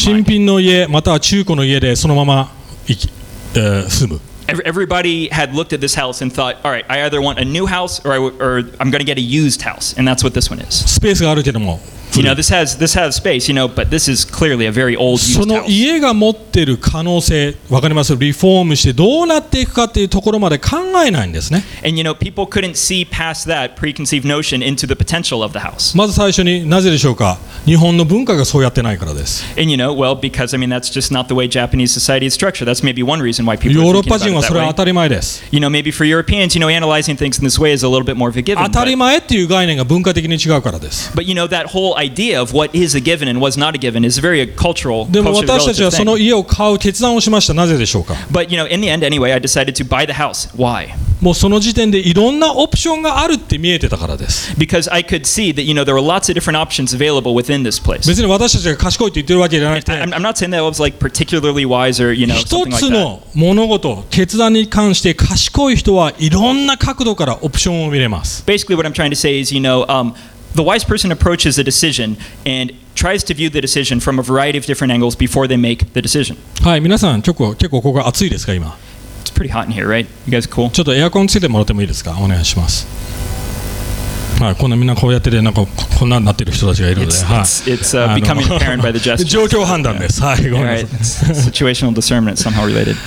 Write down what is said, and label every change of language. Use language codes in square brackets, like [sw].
[ja] 新品の家、または中古の家でそのまま住む。 [en] Everybody had looked at this house and thought, all right, I either want a new house or I'm going to get a used house. And that's what this one is. [ja] スペースがあるけども。 [en] You know, this has space, you know, but this is clearly a very old used [ja] その家が持ってる可能性、わかります?リフォームしてどうなっていくかっていうところまで考えないんですね。 [en] And you know, people couldn't see past that preconceived notion into the potential of the house. [ja] まず最初になぜでしょうか?日本の文化がそうやってないからです。 [en] And you know, well, because I mean, that's just not the way Japanese society is structured. That's maybe one reason why people [ja] ヨーロッパ人はそれは当たり前です。 [en] You know, maybe for Europeans, you know, analyzing things in this way is a little bit more forgiving. [ja] 当たり前っていう概念が文化的に違うからです。 [en] But you know, that whole idea of what is a given and what's not a given is a very cultural [ja] でも私たちはその家を買う決断をしました。なぜでしょうか? [en] But you know, in the end, anyway, I decided to buy the house. Why? [ja] もうその時点でいろんなオプションがあるって見えてたからです。 [en] Because I could see that, you know, there were lots of different options available within this place. [ja] 別に私たちが賢いと言ってるわけじゃなくて、 [en] I'm not saying that I was like particularly wise or, you know, something like that. [ja] 一つの物事、決断に関して賢い人はいろんな角度からオプションを見れます。 [en] Basically, what I'm trying to say is, you know, The wise person approaches a decision and tries to view the decision from a variety of different angles before they make the decision. [ja] はい、皆さん、結構ここ暑いですか、今。 [en] It's pretty hot in here, right? You guys cool? [ja] ちょっとエアコンつけてもらってもいいですか、お願いします。はい、こんなみんなこうやってて、なんかこんなになってる人たちがいるので、はい。 [en] It's becoming apparent by the gestures. [ja] 状況判断です。はい、ごめんなさい。 [en] Situational discernment somehow related.